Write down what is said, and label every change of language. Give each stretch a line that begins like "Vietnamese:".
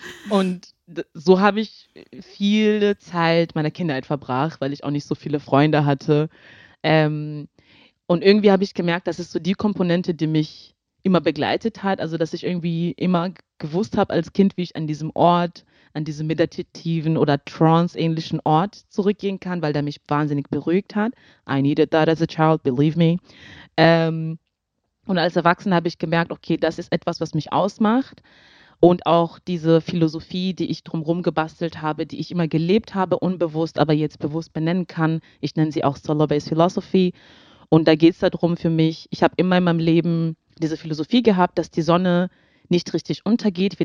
German: Und so habe ich viel Zeit meiner Kindheit verbracht, weil ich auch nicht so viele Freunde hatte. Und irgendwie habe ich gemerkt, das ist so die Komponente, die mich immer begleitet hat. Also dass ich irgendwie immer gewusst habe als Kind, wie ich an diesem Ort, an diesem meditativen oder trance-ähnlichen Ort zurückgehen kann, weil der mich wahnsinnig beruhigt hat.
English: I needed that as a child, believe me.
German: Und als Erwachsener habe ich gemerkt, okay, das ist etwas, was mich ausmacht. Und auch diese Philosophie, die ich drumherum gebastelt habe, die ich immer gelebt habe, unbewusst, aber jetzt bewusst benennen kann. Ich nenne sie auch Solar-Based Philosophy. Und da geht es darum für mich, ich habe immer in meinem Leben diese Philosophie gehabt, dass die Sonne nicht richtig untergeht.